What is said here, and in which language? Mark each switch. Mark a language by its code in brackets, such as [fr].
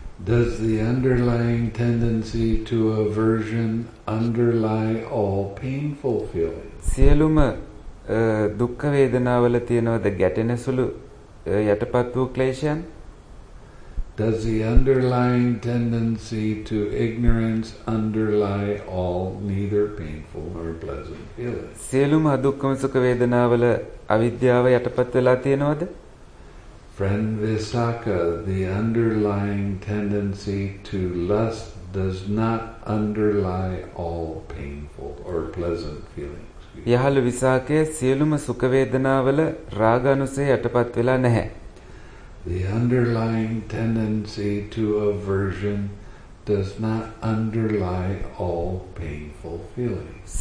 [en] Does the underlying tendency to aversion underlie all painful feeling? [si] සියලුම දුක් වේදනාවල තියෙනවද ගැටෙනසුළු යටපත් වූ ක්ලේශයන්? [en] Does the underlying tendency to ignorance underlie all neither painful nor pleasant feeling? [si] සියලුම දුක්ඛම සුඛ වේදනාවල අවිද්‍යාව යටපත් වෙලා තියෙනවද? [en] Friend Visakha, the underlying tendency to lust does not underlie all painful or pleasant feelings. [si] යහළු විසාකයේ සියලුම සුඛ වේදනාවල රාග අනුසය යටපත් වෙලා නැහැ. [en] The underlying tendency to aversion does not underlie all painful feelings.